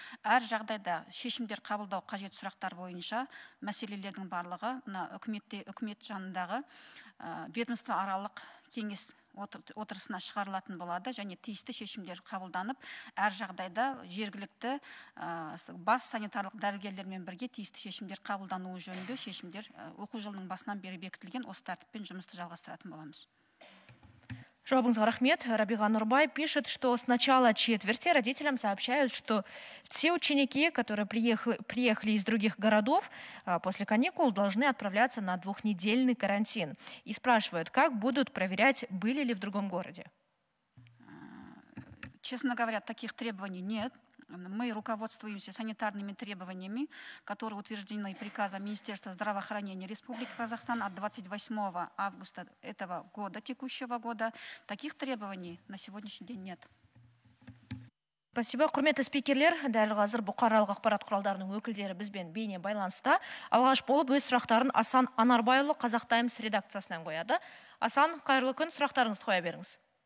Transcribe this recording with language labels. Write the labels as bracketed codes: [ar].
[kk] Әр жағдайда шешімдер қабылдау қажет сұрақтар бойынша мәселелердің барлығы мына үкімет жанындағы ведомство аралық кеңес отырысына шығарылатын болады, және тиісті шешімдер қабылданып, әр жағдайда жергілікті бас санитарлық дәрігерлермен бірге тиісті шешімдер қабылдануы жөнінде шешімдер оқу жылының басынан бері бекітілген осы тәртіппен жұмысты жалғастыратын боламыз. Жауабыңызға рахмет. [ru] Рабиға Нұрбай пишет, что с начала четверти родителям сообщают, что те ученики, которые приехали из других городов после каникул, должны отправляться на двухнедельный карантин. И спрашивают, как будут проверять, были ли в другом городе. Честно говоря, таких требований нет. Мы руководствуемся санитарными требованиями, которые утверждены приказом Министерства здравоохранения Республики Казахстан от 28 августа этого года, текущего года. Таких требований на сегодняшний день нет. Спасибо, [kk] құрметті спикерлер. Дәл қазір бұқаралық ақпарат құралдарының өкілдері бізбен бейне байланыста. Алғаш болып өз сұрақтарын Асан Анарбайұлы Қазақ Таймс редакциясынан қояды. Асан, қайырлы күн, сұрақтарыңызды қоя беріңіз.